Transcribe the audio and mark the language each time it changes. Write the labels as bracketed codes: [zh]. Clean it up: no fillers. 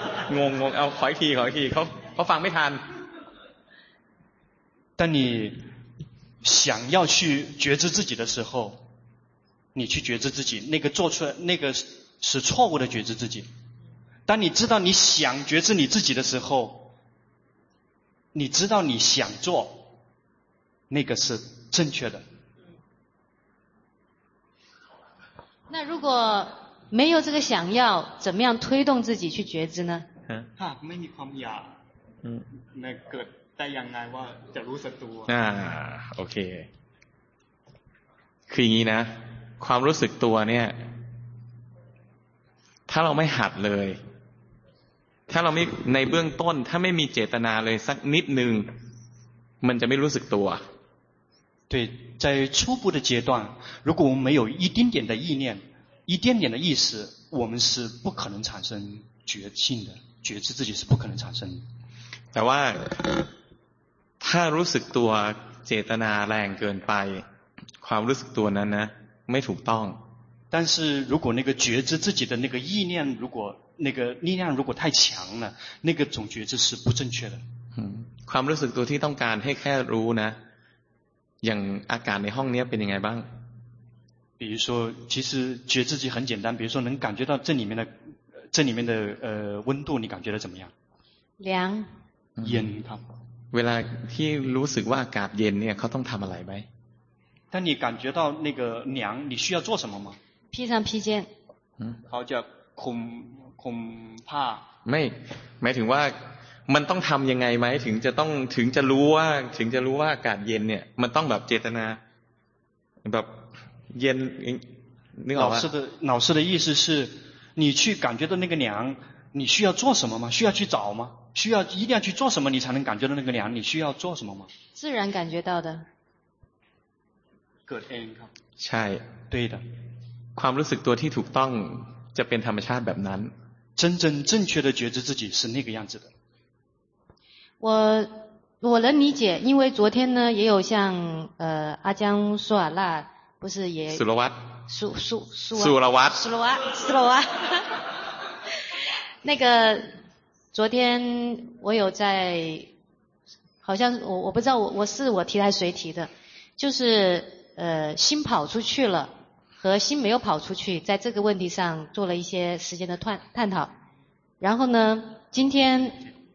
[th] งงงงเอาขออีกทีขออีกทีเขาฟังไม่ทัน [zh] 当你想要去觉知自己的时候你去觉知自己那个做出那个是错误的觉知自己当你知道你想觉知你自己的时候你知道你想做那个是正确的。那如果没有这个想要，怎么样推动自己去觉知呢？ [th] ถ้าไม่มีความอยากนะเกิดได้ยังไงว่าจะรู้สึกตัว โอเคคืออย่างนี้นะความรู้สึกตัวเนี่ยถ้าเราไม่หัดเลยถ้าเราไม่ในเบื้องต้นถ้าไม่มีเจตนาเลยสักนิดนึงมันจะไม่รู้สึกตัว [zh] 对在初步的阶段如果我们没有一丁点的意念一丁点的意识我们是不可能产生觉性的觉知自己是不可能产生的 [th] แต่ว่าถ้ารู้สึกตัวเจตนาแรงเกินไปความรู้สึกตัวนั้นนะไม่ถูกต้อง [zh] 但是如果那个觉知自己的那个意念如果那个力量如果太强了那个总觉知是不正确的 [th] ความรู้สึกตัวที่ต้องการให้แค่รู้นะอย่างอาการในห้องนี้เป็นยังไงบ้าง [zh] 比如说其实觉知自己很简单比如说能感觉到这里面的这里面的温度你感觉得怎么样凉 [th] เย็นครับ เวลาที่รู้สึกว่าอากาศเย็นเนี่ยเขาต้องทำอะไรไหม [zh] 但你感觉到那个凉你需要做什么吗披上披肩 [th] เขาจะคุมผ้า ไม่หมายถึงว่ามันต้องทำยังไงไหมถึงจะรู้ว่าถึงจะรู้ว่าอากาศเย็นเนี่ยมันต้องแบบเจตนาแบบเย็นนึกออกไ หม [zh] 老师的意思是你去感觉到那个凉，你需要做什么吗？需要去找吗？需要一定要去做什么，你才能感觉到那个凉？你需要做什么吗？自然感觉到的。 [th] เกิดเองครับ ใช่ [zh] 对的。 [th] ความรู้สึกตัวที่ถูกต้องจะเป็นธรรมชาติแบบนั้น [zh] 真正正确的觉知自己是那个样子的。我能理解，因为昨天呢也有像阿江苏瓦拉不是也。苏罗瓦。苏罗瓦那个昨天我有在好像我不知道我是我提的还谁提的就是心跑出去了和心没有跑出去在这个问题上做了一些时间的探讨然后呢今天